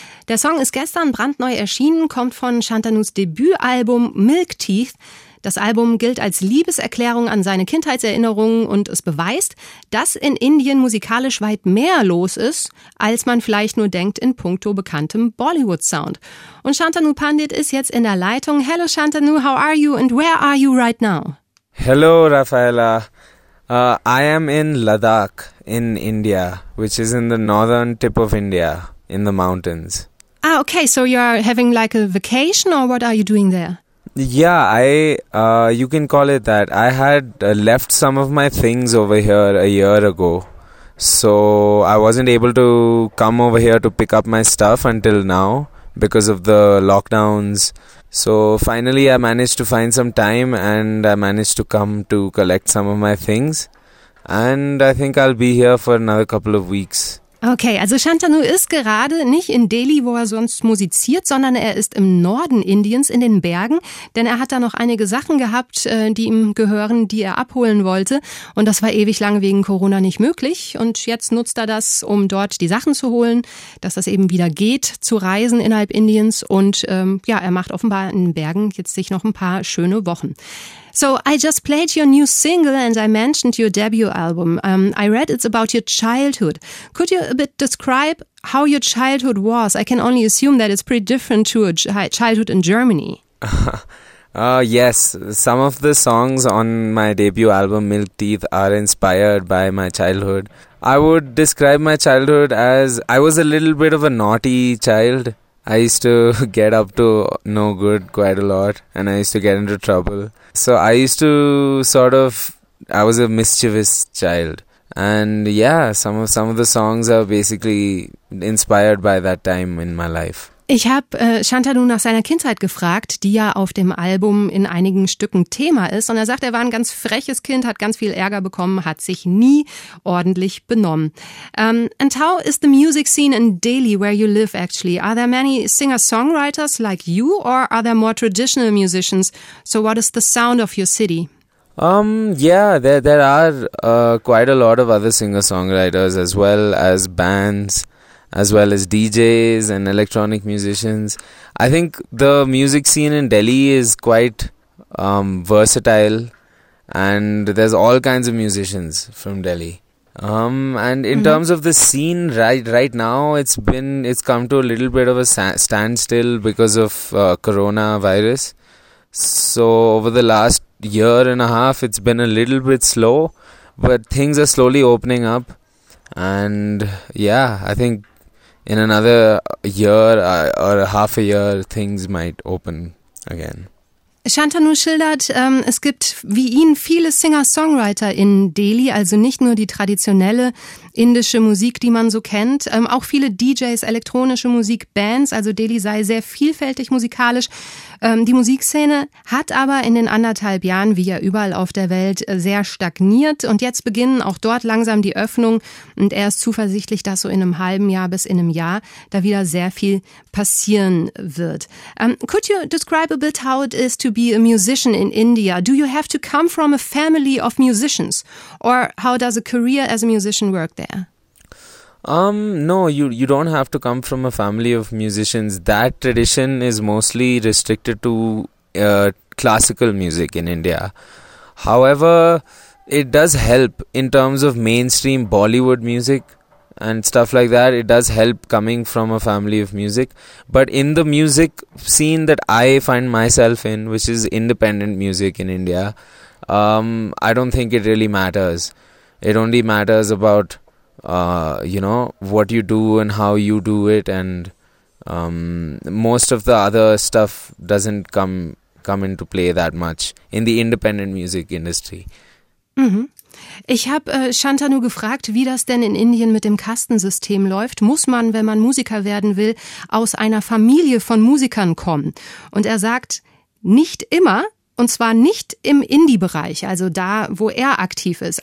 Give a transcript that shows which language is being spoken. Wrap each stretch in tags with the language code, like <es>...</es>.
<de>Der Song ist gestern brandneu erschienen, kommt von Shantanus Debütalbum Milk Teeth. Das Album gilt als Liebeserklärung an seine Kindheitserinnerungen und es beweist, dass in Indien musikalisch weit mehr los ist, als man vielleicht nur denkt in puncto bekanntem Bollywood-Sound. Und Shantanu Pandit ist jetzt in der Leitung.</de> <en>Hello Shantanu, how are you and where are you right now? Hello Rafaela. I am in Ladakh in India, which is in the northern tip of India, in the mountains. Ah, okay, so you are having like a vacation or what are you doing there? Yeah, you can call it that. I had left some of my things over here a year ago. So I wasn't able to come over here to pick up my stuff until now because of the lockdowns. So finally I managed to find some time and I managed to come to collect some of my things. And I think I'll be here for another couple of weeks.</en> <de>Okay, also Shantanu ist gerade nicht in Delhi, wo er sonst musiziert, sondern er ist im Norden Indiens in den Bergen, denn er hat da noch einige Sachen gehabt, die ihm gehören, die er abholen wollte und das war ewig lang wegen Corona nicht möglich und jetzt nutzt er das, um dort die Sachen zu holen, dass das eben wieder geht zu reisen innerhalb Indiens und ja, er macht offenbar in den Bergen jetzt sich noch ein paar schöne Wochen.</de> <en>So I just played your new single and I mentioned your debut album. I read it's about your childhood. Could you a bit describe how your childhood was? I can only assume that it's pretty different to a childhood in Germany. Yes, some of the songs on my debut album Milk Teeth are inspired by my childhood. I would describe my childhood as I was a little bit of a naughty child. I used to get up to no good quite a lot and I used to get into trouble. So I used to I was a mischievous child. And yeah, some of the songs are basically inspired by that time in my life.</en> <de>Ich habe Shantanu nach seiner Kindheit gefragt, die ja auf dem Album in einigen Stücken Thema ist. Und er sagt, er war ein ganz freches Kind, hat ganz viel Ärger bekommen, hat sich nie ordentlich benommen.</de> <en>And how is the music scene in Delhi, where you live actually? Are there many singer-songwriters like you or are there more traditional musicians? So what is the sound of your city? Yeah, there are quite a lot of other singer-songwriters as well as bands. As well as DJs and electronic musicians. I think the music scene in Delhi is quite versatile and there's all kinds of musicians from Delhi. And in mm-hmm. terms of the scene right now, it's come to a little bit of a standstill because of coronavirus. So over the last year and a half, it's been a little bit slow, but things are slowly opening up. And yeah, I think in another year or half a year, things might open again.</en> <de>Shantanu schildert, es gibt wie ihn viele Singer-Songwriter in Delhi, also nicht nur die traditionelle indische Musik, die man so kennt, auch viele DJs, elektronische Musik, Bands, also Delhi sei sehr vielfältig musikalisch. Die Musikszene hat aber in den anderthalb Jahren, wie ja überall auf der Welt, sehr stagniert und jetzt beginnen auch dort langsam die Öffnung und er ist zuversichtlich, dass so in einem halben Jahr bis in einem Jahr da wieder sehr viel passieren wird.</de> <en>Could you describe a bit how it is to be a musician in India? Do you have to come from a family of musicians? Or how does a career as a musician work there? No, you don't have to come from a family of musicians. That tradition is mostly restricted to classical music in India. However, it does help in terms of mainstream Bollywood music and stuff like that. It does help coming from a family of music. But in the music scene that I find myself in, which is independent music in India, I don't think it really matters. It only matters about you know, what you do and how you do it, and most of the other stuff doesn't come into play that much in the independent music industry. Mhm.</en> <de>Ich habe Shantanu gefragt, wie das denn in Indien mit dem Kastensystem läuft. Muss man, wenn man Musiker werden will, aus einer Familie von Musikern kommen? Und er sagt, nicht immer. Und zwar nicht im Indie-Bereich, also da, wo er aktiv ist.</de>